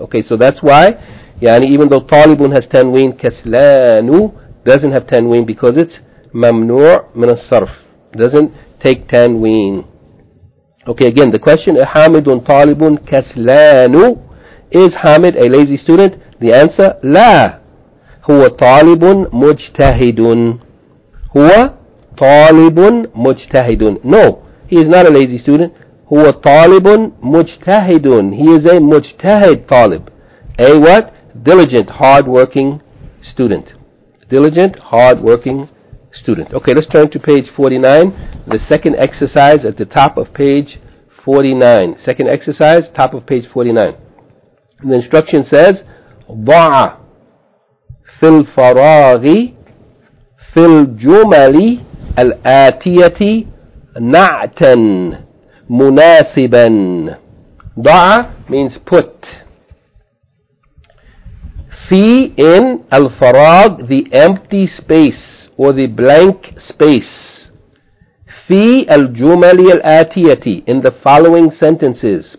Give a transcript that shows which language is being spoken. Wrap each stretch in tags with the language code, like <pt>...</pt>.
<en>Okay, so that's why يعني even though طالبٌ has تنوين, كسلان doesn't have تنوين because it's</en> <ar>ممنوع من الصرف,</ar> <en>doesn't take تنوين. Okay, again the question,</en> <ar>حامدٌ طالبٌ كسلان,</ar> <en>is حامد a lazy student? The answer,</en> <ar>لا, هو طالبٌ مجتهدٌ. هو طالب مجتهد.</ar> <en>No, he is not a lazy student.</en> <ar>هو طالب مجتهد.</ar> <en>He is a</en> <ar>مجتهد طالب.</ar> <en>A what? Diligent, hard-working student. Diligent, hard-working student. Okay, let's turn to page 49. The second exercise at the top of page 49. Second exercise, top of page 49. The instruction says,</en> <ar>ضع في الفراغ في الجمل الآتية نعتا مناسبا.</ar> <en>ضع means put. في in الفراغ, the empty space or the blank space.</en> <ar>في الجمل الآتية,</ar> <en>in the following sentences.</en>